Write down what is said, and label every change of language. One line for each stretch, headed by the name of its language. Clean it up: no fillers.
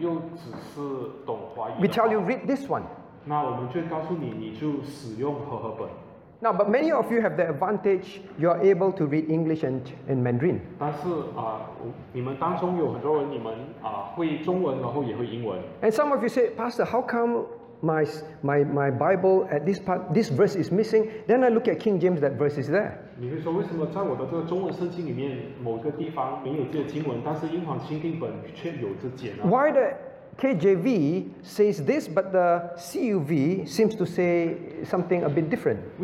Chinese: 那所以说，如果对说中文的人，然后你又只是懂华语。
English: We tell you read this one.
Chinese: 那我们就告诉你，你就使用和合本。
English: Now, but many of you have the advantage you are able to read English and in Mandarin.
Chinese: 但是你们当中有很多人，你们会中文，然后也会英文。
English: And some of you say, Pastor, how come my Bible at this part, this verse is missing? Then I look at King James, that verse is there.
Chinese: 你会说为什么在我的这个中文圣经里面某一个地方没有这个经文，但是英皇钦定本却有这节呢？
English: Why the KJV says this, but the CUV seems to say something a bit different.